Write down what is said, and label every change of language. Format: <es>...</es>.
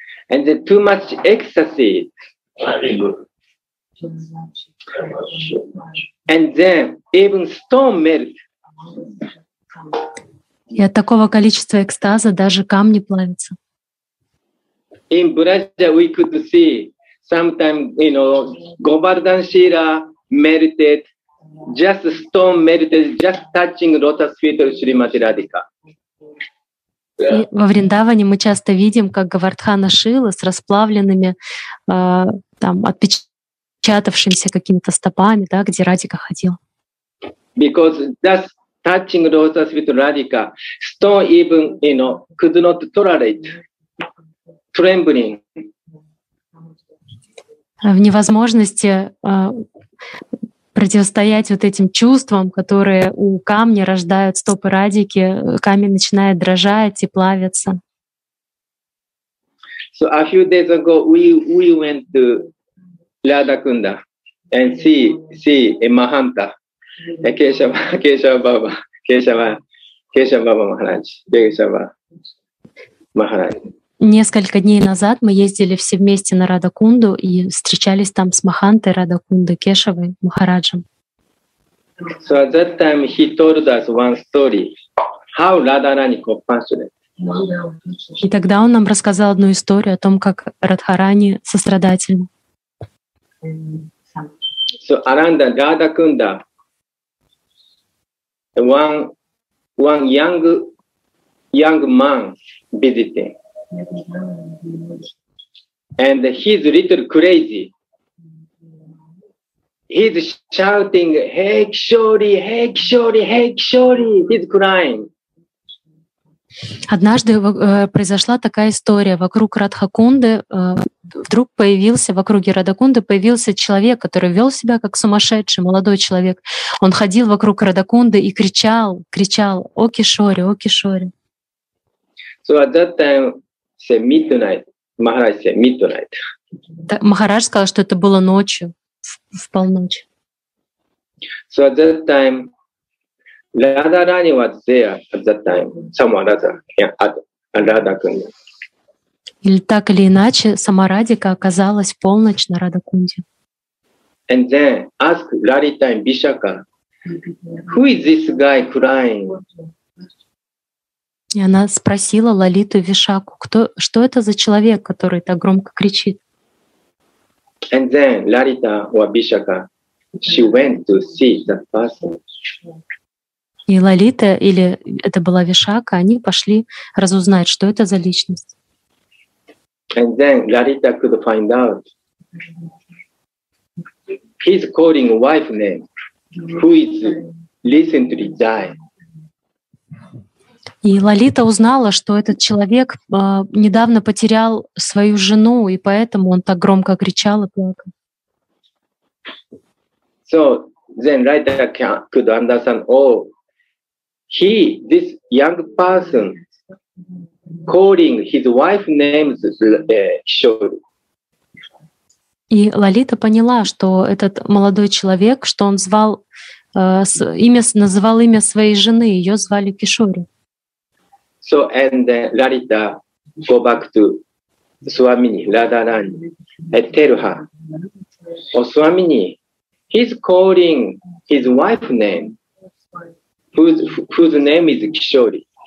<en>And too much ecstasy. And then even stone melt.</en> <ru>И от такого количества экстаза даже камни плавятся.</ru> <en>In Braja we could see sometimes, you know, Govardhan Shira melted, just stone melted, just touching lotus feet of Srimati Radhika.</en> <ru>И во Вриндаване мы часто видим, как Говардхана Шила с расплавленными, отпечатавшимися какими-то стопами, да, где Радика ходил.</ru> <en>Because just touching lotus feet with Radhika, stone even, you know, could not tolerate trembling.</en> <ru>В невозможности противостоять вот этим чувствам, которые у камня рождают стопы Радики, камень начинает дрожать и плавиться.</ru> <en>So a few days ago we went to Radhakunda and see a Mahanta, a Keshava Baba Maharaj, Keshava Maharaj.</en> <ru>Несколько дней назад мы ездили все вместе на Радакунду и встречались там с Махантой Радакунды Кешавой Махараджем.</ru> <en>So at that time he told us one story, how Radharani compassionate.</en> <ru>И тогда он нам рассказал одну историю о том, как Радхарани сострадательна.</ru> <en>So around the Radakunda, one young man visiting. And he's a little crazy. He's shouting, "Hey Kishori, hey Kishori, hey Kishori!" He's crying.</en> <ru>Однажды произошла такая история. Вокруг Радхакунды вдруг появился, вокруг Радхакунды появился человек, который вел себя как сумасшедший, молодой человек. Он ходил вокруг Радхакунды и кричал, "О Кишори, о Кишори!"</ru> <en>So at that time. Say midnight. Maharaj said midnight.</en> <ru>Maharaj сказал, что это было ночью, в полночь.</ru> <en>So at that time, Radharani was there at that time, someone other, yeah, Radha-kunda.</en> <ru>Или так или иначе, сама Радика оказалась полночь на Радакунде.</ru> <en>And then ask Ларита and Бишака, who is this guy crying?</en> <ru>И она спросила Лалиту и Вишаку, кто, что это за человек, который так громко кричит?</ru> <en>And then Ларита or Бишака, she went to see that person.</en> <ru>И Лалита, или это была Вишака, они пошли разузнать, что это за личность.</ru> <en>And then Ларита could find out he's calling wife name, who is recently died.</en> <ru>И Лалита узнала, что этот человек недавно потерял свою жену, и поэтому он так громко кричал и плакал.</ru> <en>So then Ларита could understand, oh, he, this young person, calling his wife name Kishori.</en> <ru>И Лалита поняла, что этот молодой человек, что он звал имя, называл имя своей жены, ее звали Кишори.</ru> <en>So and Lalita go back to Swamini Radharani and tell her, oh Swamini, he's calling his wife name, whose name is Kishori.</en>